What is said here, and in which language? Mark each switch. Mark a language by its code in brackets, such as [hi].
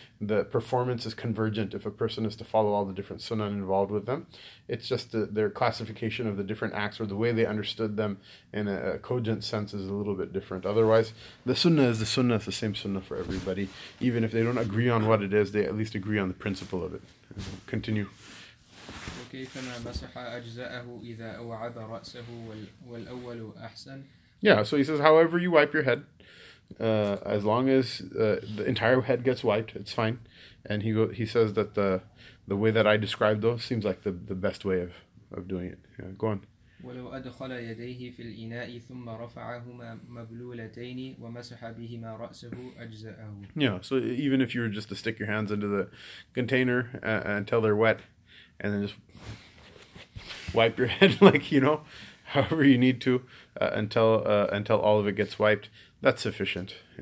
[en] The performance is convergent if a person is to follow all the different sunnah involved with them. It's just their classification of the different acts or the way they understood them in a cogent sense is a little bit different. Otherwise, the sunnah is the sunnah. It's the same sunnah for everybody. Even if they don't agree on what it is, they at least agree on the principle of it. Continue. [ar] كيفما مسح أجزاءه إذا أوعب رأسه والأول أحسن. [en] Yeah, so he says, however you wipe your head, as long as the entire head gets wiped, it's fine. And he says that the way that I described though seems like the best way of doing it. Yeah, go on. [ar] ولو أدخل يديه في الإناء ثم رفعهما مبلولتين ومسح بهما رأسه أجزاءه. [en] Yeah, so even if you were just to stick your hands into the container until they're wet, and then just wipe your head, like, you know, however you need to, until all of it gets wiped, that's sufficient.